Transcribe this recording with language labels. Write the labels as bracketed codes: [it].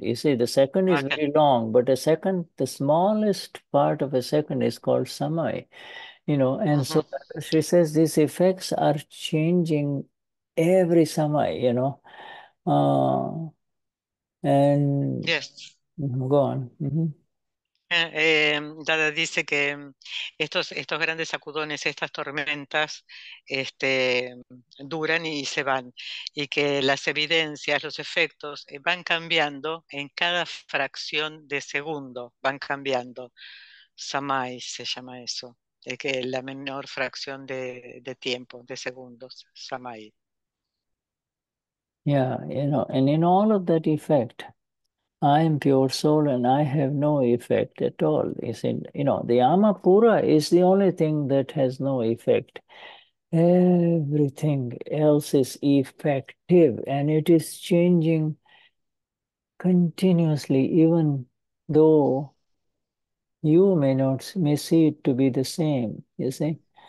[en] You see, the second is very long, but a second, the smallest part of a second is called samai. You know, and so she says these effects are changing every samai, you know. And yes, go on. [es] Dada dice que estos grandes sacudones, estas tormentas, duran y se van, y que las evidencias, los efectos, van cambiando en cada fracción de segundo, van cambiando. Samai se llama eso, que es la menor fracción de tiempo, de segundos, samai. [en] Yeah, you know, and in all of that effect, I am pure soul and I have no effect at all. The Amapura is the only thing that has no effect. Everything else is effective and it is changing continuously, even though you may see it to be the same, you see.